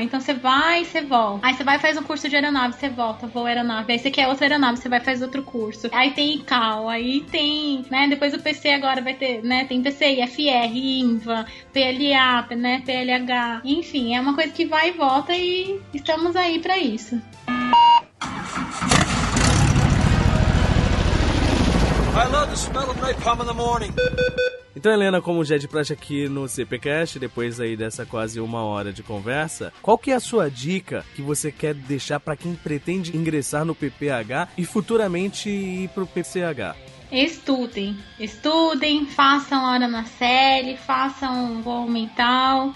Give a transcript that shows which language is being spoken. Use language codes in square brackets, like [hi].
[pt] Então você vai e você volta. Aí você vai e faz um curso de aeronave, você volta, voa aeronave. Aí você quer outra aeronave, você vai e faz outro curso. Aí tem ICAO, aí tem, né, depois o PC agora vai ter, né, tem PC, IFR, INVA, PLA, né, PLH. Enfim, é uma coisa que vai e volta e estamos aí pra isso. [en] I love the smell of napalm in the morning. [pt] Então, Helena, como já é de praxe aqui no CPcast, depois aí dessa quase uma hora de conversa, qual que é a sua dica que você quer deixar para quem pretende ingressar no PPH e futuramente ir pro PCH? Estudem, façam hora na série, façam voo mental.